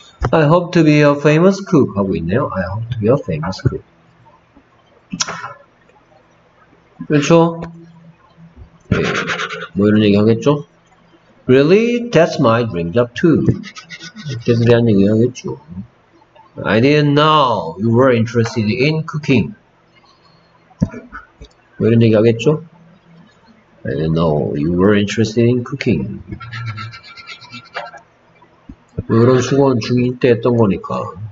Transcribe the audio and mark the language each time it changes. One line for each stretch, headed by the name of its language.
English: I hope to be a famous cook
Korean: 하고 있네요.
English: I hope to be a famous cook.
Korean: 그렇죠? 네. 뭐 이런 얘기 하겠죠?
English: Really? That's my dream job too.
Korean: 그래서 대한 얘기 하겠죠.
English: I didn't know you were interested in cooking.
Korean: 뭐 이런 얘기 하겠죠?
English: I didn't know you were interested in cooking.
Korean: 이런 수건 중2 때 했던 거니까.